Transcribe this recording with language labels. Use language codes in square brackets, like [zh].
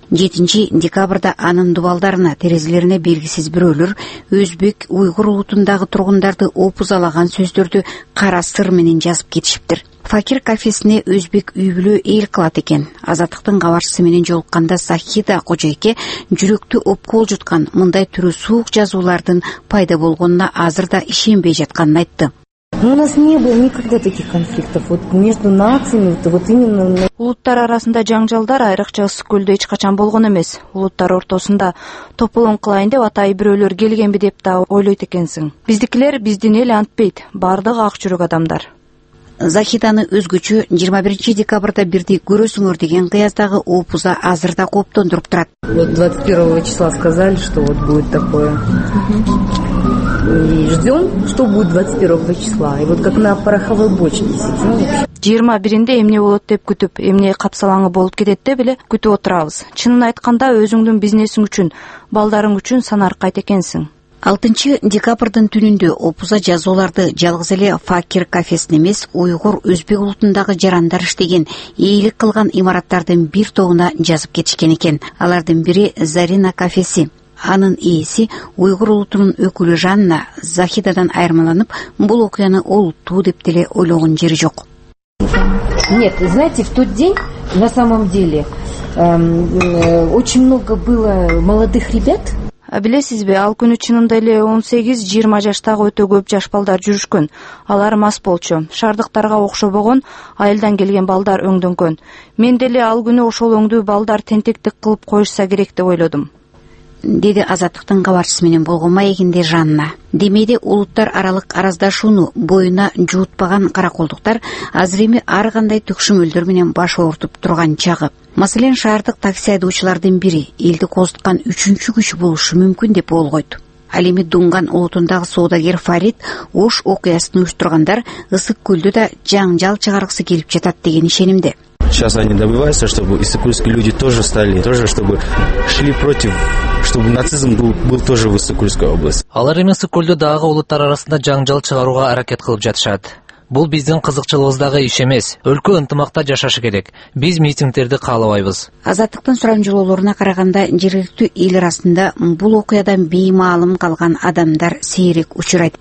[ky] 7 декабрда анын дубалдарына, терезелерине белгисиз бирөөлөр өзбек уйгур улутундагы тургундарды опузалаган сөздөрдү кара сыр менен жазып кетишиптир. Факир кафесине өзбек үй бүлө ээл кылат экен. Азаттыктын кабарчысы менен жолукканда Сахида Кожойке жүрөктү опкол жуткан мындай түрү суук жазуулардын пайда болгонуна азыр да ишенбей жатканын айтты. [ru] У нас не было никогда таких конфликтов вот между нациями, вот именно [ky] улуттар арасында жаңжалдар айрыкча Ысык Көлдө эч качан болгон эмес. Улуттар ортосунда тополоң кылайын деп атай бирөөлөр келгенби деп да ойлойт экенсиң. Биздикилер биздин эл антпейт, бардыгы ак жүрөк адамдар. Захиданы өзгөчө 21 декабрда бирдей көрөсүңөр деген кыяздагы опуза азыр да кооптондуруп турат. [ru] Вот 21-го числа сказали, что вот будет такое. И ждем, что будет 21-го числа. И вот как на пороховой бочке сидим. [ky] 21-де эмне болот деп күтүп, эмне капсалаңы болуп кетет деп эле күтүп отурабыз. Чынын айтканда өзүңдүн бизнесиң үчүн, балдарың үчүн санар кайт экенсиң. 6 декабрдын түнүндө опуза жазууларды жалгыз эле факир кафесин эмес, уйгур өзбек улутундагы жарандар иштеген, ээлик кылган имараттардын бир тобуна жазып кетишкен экен. Алардын бири Зарина кафеси. Анын ээси уйгур улутунун өкүлү Жанна Захидадан айырмаланып, бул окуяны олуттуу деп деле ойлогон жери жок. [ru] Нет, знаете, в тот день на самом деле очень много было молодых ребят. [ky] Билесизби, ал күнү чынында эле 18-20 жаштагы өтө көп жаш балдар жүрүшкөн. Алар мас болчу. Шаардыктарга окшобогон айылдан келген балдар өңдөнгөн. Мен деле ал күнү ошол өңдүү балдар тентектик кылып коюшса керек деп ойлодум. Деди Азаттыктын кабарчысы менен болгон маегинде Жанна. Демейде улуттар аралык араздашууну боюна жуутпаган караколдуктар азыр эми ар кандай түкшүмөлдөр менен баш оорутуп турган чагы. Маселен, шаардык такси айдоочулардын бири элди козуткан үчүнчү күч болушу мүмкүн деп болгойт. Ал эми Дунган улутундагы соодагер Фарид Ош окуясын уюштургандар Ысык Көлдө да жаңжал чыгаргысы келип жатат деген ишенимде. [ru] Сейчас они добиваются, чтобы иссык-кульские люди тоже стали, тоже чтобы шли против, чтобы нацизм был тоже в Иссык-Кульской области. [ky] Алар эми Иссык-Көлдө дагы улуттар арасында жаңжал чыгарууга аракет кылып жатышат. Бул биздин кызыкчылыгыбыздагы иш эмес. Өлкө ынтымакта жашашы керек. Биз митингдерди каалабайбыз. Азаттыктын сурамжылоолоруна караганда, жергиликтүү эл арасында бул окуядан беймаалым калган адамдар сейрек учурайт.